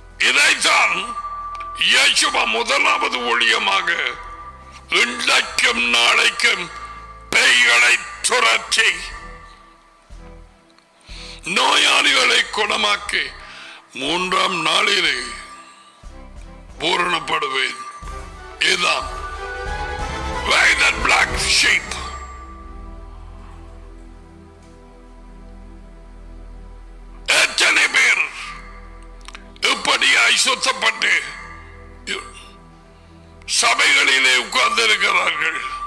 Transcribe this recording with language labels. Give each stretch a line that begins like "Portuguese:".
Tamil: இதைத்தான் இயேசுவா முதலாவது ஊழியமாக இன்றைக்கும் நாளைக்கும் பேய்களை துரத்தி நோயாளிகளை குணமாக்கி மூன்றாம் நாளிலே பூரணப்படுவேன். இதுதான்
English: Why that black sheep?
Tamil: எத்தனை பேர் இப்படி அசுத்தப்பட்டு சபைகளிலே உட்கார்ந்திருக்கிறார்கள்.